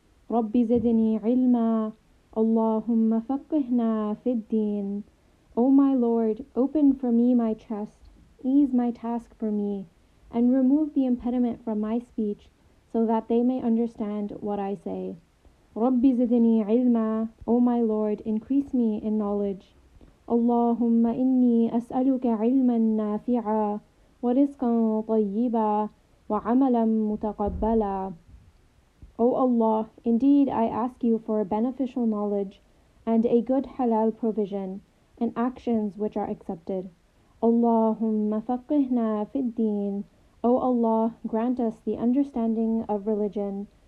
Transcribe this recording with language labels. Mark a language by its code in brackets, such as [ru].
[ar] ربي زدني علما، اللهم فقهنا في الدين. [en] O my Lord, open for me my chest, ease my task for me, and remove the impediment from my speech so that they may understand what I say. [ar] رَبِّ زِدْنِي عِلْمًا. [en] O my Lord, increase me in knowledge. [ar] اللهم إني أسألك علما نافعا ورزقا طيبا وعملا متقبلا. [en] O Allah, indeed I ask you for beneficial knowledge and a good halal provision and actions which are accepted. [ar] اللهم فقهنا في الدين. [en] O Allah, grant us the understanding of religion.